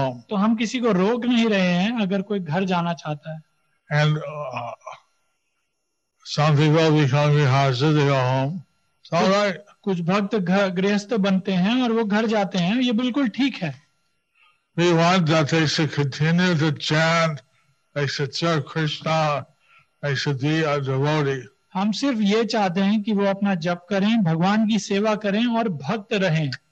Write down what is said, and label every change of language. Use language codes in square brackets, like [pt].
[hi] तो हम किसी को रोक नहीं रहे हैं अगर कोई घर जाना चाहता है. [en] And some people become grihasthas, they go home. All right. [hi] कुछ भक्त गृहस्थ बनते हैं और वो घर जाते हैं, ये बिल्कुल ठीक है. [en] We want that they should continue to chant, they should serve Krishna, they should be a devotee. [hi] हम सिर्फ ये चाहते हैं कि वो अपना जप करें, भगवान की सेवा करें और भक्त रहें.